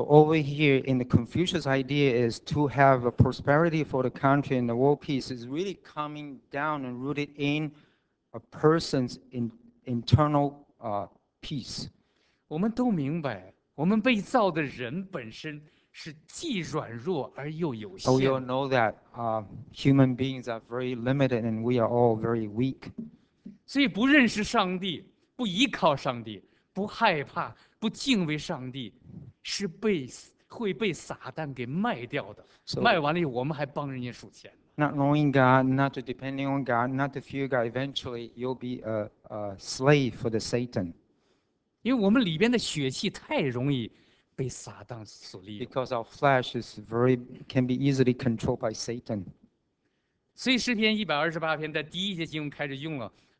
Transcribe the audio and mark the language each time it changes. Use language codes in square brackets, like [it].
[en] over here in the Confucius idea is to have a prosperity for the country and the world peace is really coming down and rooted in a person's internal peace. [zh] 我们都明白，我们被造的人本身是既软弱而又有限。 [en] We all know that human beings are very limited and we are all very weak. [zh] 所以不认识上帝，不依靠上帝，不害怕，不敬畏上帝，是被撒旦给卖掉的。卖完了以后，我们还帮人家数钱。 [en] Not knowing God, not depending on God, not to fear God, eventually you'll be a slave for the Satan. [zh] 因为我们里边的血气太容易被撒旦所利用。 [en] Because our flesh is can be easily controlled by Satan. [zh] 所以诗篇128篇在第一节经文开始用了。